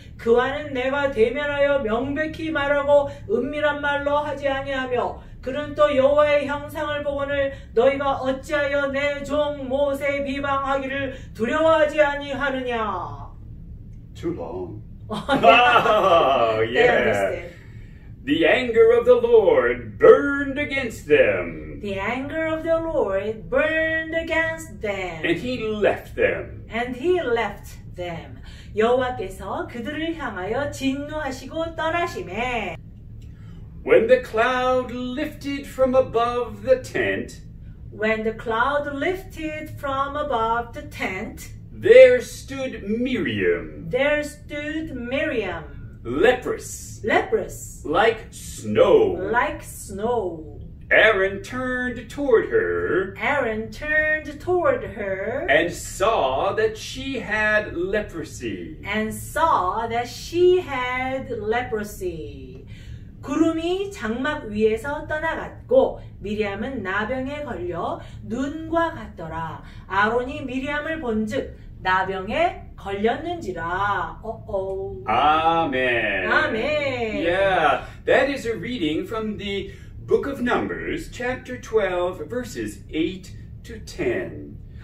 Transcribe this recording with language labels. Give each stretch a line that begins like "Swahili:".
Korean: 그와는 내가 대면하여 명백히 말하고 은밀한 말로 하지 아니하며 그는 또 여호와의 형상을 보거늘 너희가 어찌하여 내 종 모세 비방하기를 두려워하지 아니하느냐?
English: Too long. Oh, yeah. Oh, yeah. The anger of the Lord burned against them. The anger of the Lord burned against them. And he left them. And he left them.
Korean: 여호와께서 그들을 향하여 진노하시고 떠나시매.
English: When the cloud lifted from above the tent. When the cloud lifted from above the tent. There stood Miriam. There stood Miriam. Leprous. Leprous. Like snow. Like snow. Aaron turned toward her. Aaron turned toward her. And saw that she had leprosy. And saw that she had leprosy.
Korean: 구름이 장막 위에서 떠나갔고 미리암은 나병에 걸려 눈과 같더라. 아론이 미리암을 본즉 나병에 걸렸는지라. 어어. 아멘. 아멘.
English: Yeah, that is a reading from the Book of Numbers, chapter 12, verses 8 to 10.